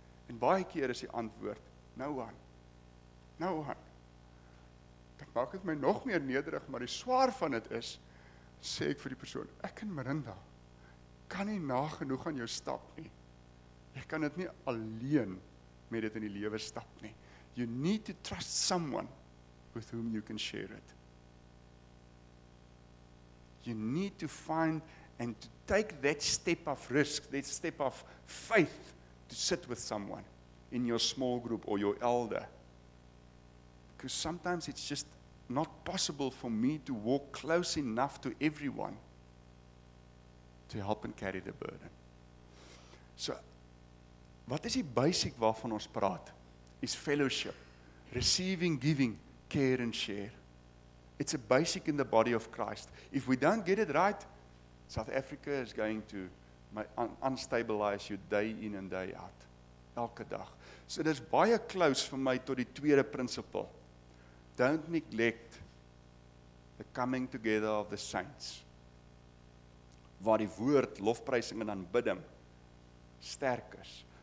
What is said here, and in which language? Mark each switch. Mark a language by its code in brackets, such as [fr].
[af] En baie keer is die antwoord, [en] no one. No one. [af] Dit maak het my nog meer nederig, maar die swaar van het is, sê ek vir die persoon, ek en Marinda kan nie nagenoeg aan jou stap nie. Jy kan dit nie alleen met dit in die lewe stap nie. [en] You need to trust someone with whom you can share it. You need to find and to take that step of risk, that step of faith to sit with someone in your small group or your elder. Because sometimes it's just not possible for me to walk close enough to everyone to help and carry the burden. [af] So, wat is die basic waarvan ons praat? [en] Is fellowship, receiving, giving, care and share. It's a basic in the body of Christ. If we don't get it right, South Africa is going to unstabilize you day in and day out. [af] Elke dag. So dit is baie close vir my tot die tweede principle. [en] Don't neglect the coming together of the saints. [af] Waar die woord, lofprysing en aanbidding sterk is.